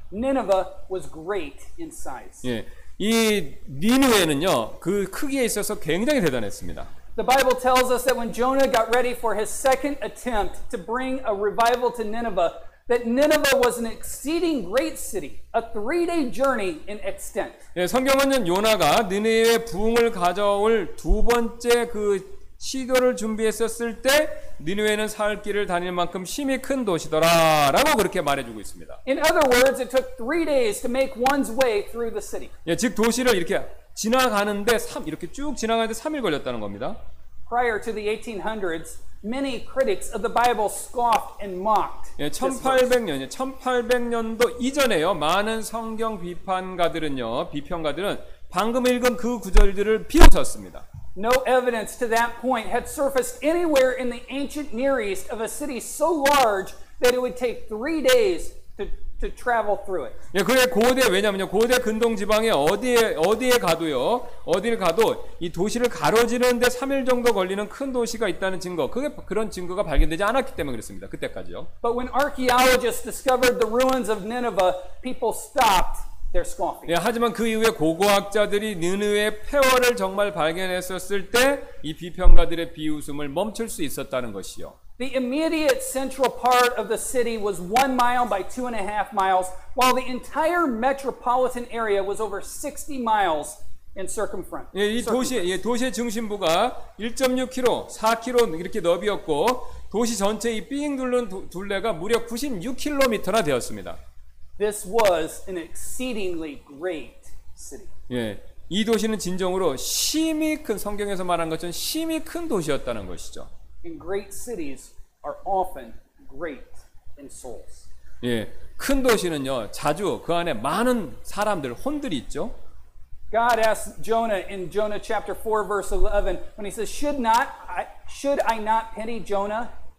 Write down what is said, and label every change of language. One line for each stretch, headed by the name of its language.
English: Nineveh was great in size.
Korean: 예, 이 니느웨는요, 그 크기에 있어서 굉장히 대단했습니다.
English: The Bible tells us that when Jonah got ready for his second attempt to bring a revival to Nineveh. That Nineveh was an exceeding great city, a three-day journey in extent.
Korean: 예, 성경은 요나가 니느웨의 부흥을 가져올 두 번째 그 시도를 준비했었을 때 니느웨는 살 길을 다닐 만큼 힘이 큰 도시더라라고 그렇게 말해주고 있습니다.
English: In other words, it took 3 days to make one's way through the city.
Korean: 예, 즉 도시를 이렇게 지나가는데 이렇게 쭉 지나가는데 3일 걸렸다는 겁니다.
English: Prior to the 1800s. Many critics of the Bible scoffed and mocked.
Korean: 예, 1800년도 이전에요. 많은 성경 비판가들은요, 비평가들은 방금 읽은 그 구절들을 비웃었습니다.
English: No evidence to that point had surfaced anywhere in the ancient Near East of a city so large that it would take 3 days to travel through it.
Korean: 예, 그래 고대 왜냐면요 고대 근동 지방에 어디에 가도요 어디를 가도 이 도시를 가로지르는데 3일 정도 걸리는 큰 도시가 있다는 증거 그게 그런 증거가 발견되지 않았기 때문에 그랬습니다 그때까지요.
English: But when archaeologists discovered the ruins of Nineveh, people stopped. They're scoffing.
Korean: 예, 하지만 그 이후에 고고학자들이 느느의 폐허를 정말 발견했었을 때 이 비평가들의 비웃음을 멈출 수 있었다는 것이요.
English: The immediate central part of the city was 1 mile by 2.5 miles, while the entire metropolitan area was over 60 miles in circumference.
Korean: 예, 이 도시, 예, 도시의 중심부가 1.6km, 4km 이렇게 넓이었고 도시 전체 이 삥 둘러 둘레가 무려 96km나 되었습니다.
English: This was an exceedingly great city.
Korean: 예, 이 도시는 진정으로 심히 큰 성경에서 말한 것처럼 심히 큰 도시였다는 것이죠.
English: And great cities are often great in souls.
Korean: 예, 큰 도시는요 자주 그 안에 많은 사람들 혼들이 있죠.
English: God asked Jonah in Jonah chapter 4 verse 11 when he says, "Should I not pity Jonah?"